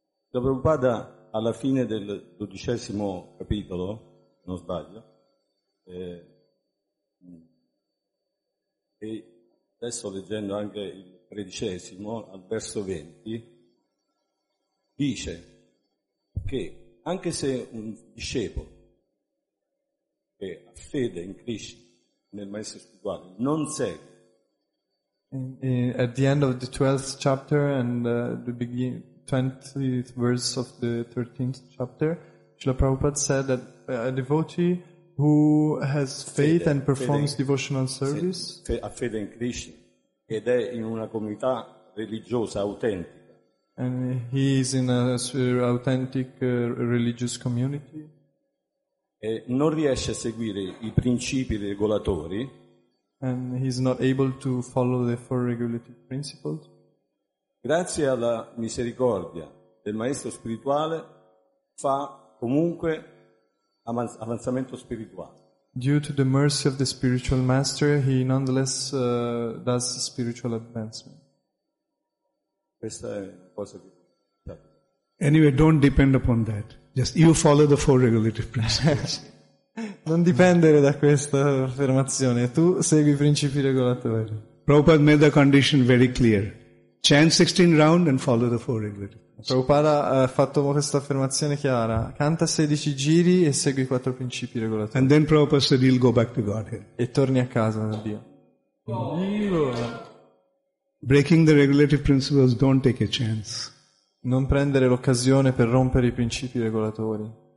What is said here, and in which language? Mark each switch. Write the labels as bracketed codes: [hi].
[it] La Prabhupada alla fine del dodicesimo capitolo, non sbaglio, e adesso leggendo anche il tredicesimo, al verso 20, dice che anche se un discepolo che ha fede in Krishna, nel maestro spirituale, non segue. [en] At the end of the 12th chapter and the beginning, 20th verse of the 13th chapter, Srila Prabhupada said that a devotee who has faith [it] fede, [en] and performs devotional service, [it] ha fede in Krishna ed è in una comunità religiosa autentica, [en] and he is in a authentic religious community, [it] e non riesce a seguire i principi regolatori. [en] And he's not able to follow the four regulative principles. [it] Grazie alla misericordia del maestro spirituale fa comunque avanzamento spirituale. [en] Due to the mercy of the spiritual master, he nonetheless does spiritual advancement. [it] Questa è una cosa che... [en] Anyway, don't depend upon that. Just you follow the four regulative principles. [it] Non dipendere da questa affermazione, tu segui i principi regolatori. [en] Prabhupada made the condition very clear. Chant 16 round and follow the four regulative principles. [it] Prabhupada ha fatto questa affermazione chiara. Canta 16 giri e segui i quattro principi regolatori. [en] And then Prabhupada said he'll go back to Godhead. [it] E torni a casa da Dio. [en] Breaking the regulative principles, don't take a chance. [it] Non prendere l'occasione per rompere i principi regolatori.